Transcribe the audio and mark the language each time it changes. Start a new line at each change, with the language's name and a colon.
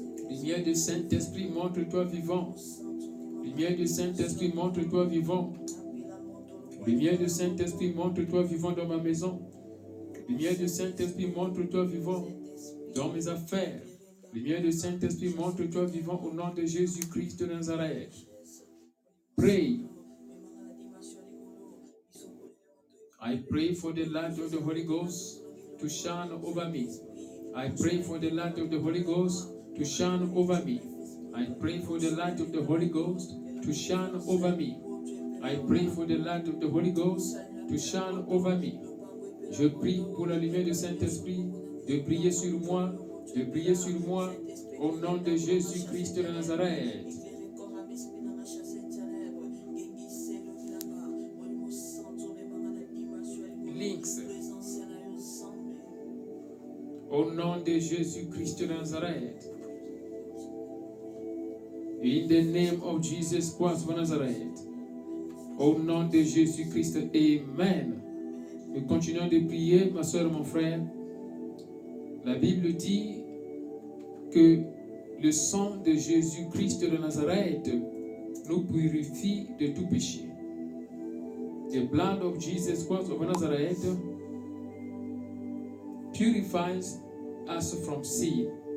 French: Lumière du Saint-Esprit, montre-toi vivant. Lumière du Saint-Esprit, montre-toi vivant. Lumière du Saint-Esprit, montre-toi vivant dans ma maison. Lumière du Saint-Esprit, montre-toi vivant dans mes affaires. Lumière du Saint-Esprit, montre-toi vivant au nom de Jésus-Christ de Nazareth.
English: Pray. I pray for the light of the Holy Ghost to shine over me. I pray for the light of the Holy Ghost to shine over me. I pray for the light of the Holy Ghost to shine over me. I pray for the light of the Holy Ghost to shine over me.
French: Je prie pour la lumière du Saint-Esprit de briller sur moi, de briller sur moi, au nom de Jésus-Christ de Nazareth. Au nom de Jésus-Christ de Nazareth.
English: In the name of Jesus Christ of Nazareth.
French: Au nom de Jésus-Christ. Amen. Nous continuons de prier, ma soeur, mon frère. La Bible dit que le sang de Jésus-Christ de Nazareth nous purifie de tout péché.
English: The blood of Jesus Christ of Nazareth purifies us from sin.